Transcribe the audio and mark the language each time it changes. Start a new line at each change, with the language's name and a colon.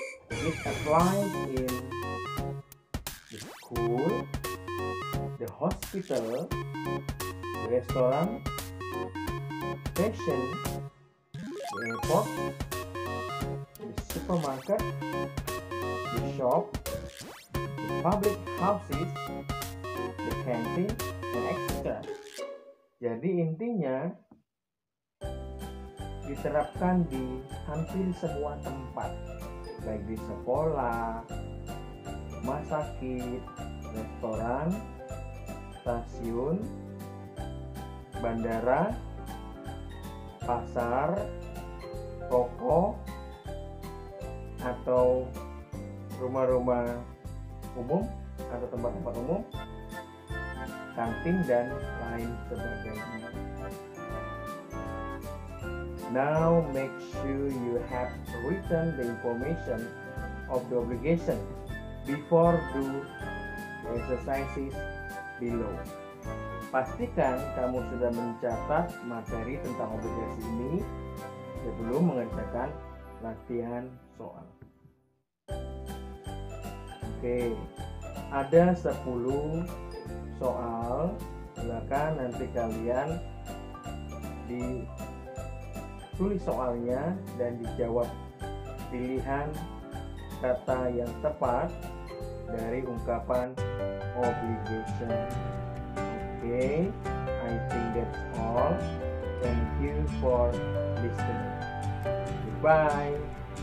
English: It applies in the school, the hospital, the restaurant, station, the airport, the supermarket, the shop, the public houses, the canteen, and etc.
Indonesian: Jadi intinya diterapkan di hampir semua tempat, baik di sekolah, rumah sakit, restoran, stasiun, bandara, pasar, toko, atau rumah-rumah umum atau tempat-tempat umum, kantin dan lain sebagainya.
English: Now make sure you have written the information of the obligation before do the exercises below.
Indonesian: Pastikan kamu sudah mencatat materi tentang obligasi ini sebelum mengerjakan latihan soal. Okay. Ada 10 soal. Silakan nanti kalian di tulis soalnya dan dijawab pilihan kata yang tepat dari ungkapan obligation.
English: Okay, I think that's all. Thank you for listening. Goodbye.